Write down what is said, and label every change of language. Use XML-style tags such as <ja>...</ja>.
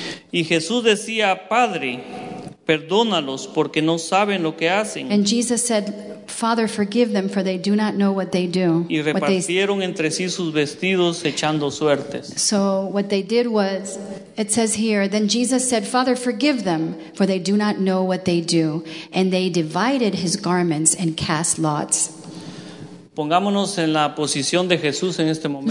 <es>Y Jesús decía, Padre, perdónalos porque no saben lo que hacen.</es> <en>And Jesus said, Father, forgive them for they do not know what they do.</en> <es>Y repartieron entre sí sus vestidos echando suertes.</es> <en>So what they did was, it says here, then Jesus said, Father, forgive them for they do not know what they do. And they divided his garments and cast lots.</en> <es>Pongámonos en la posición de Jesús en este momento.</es>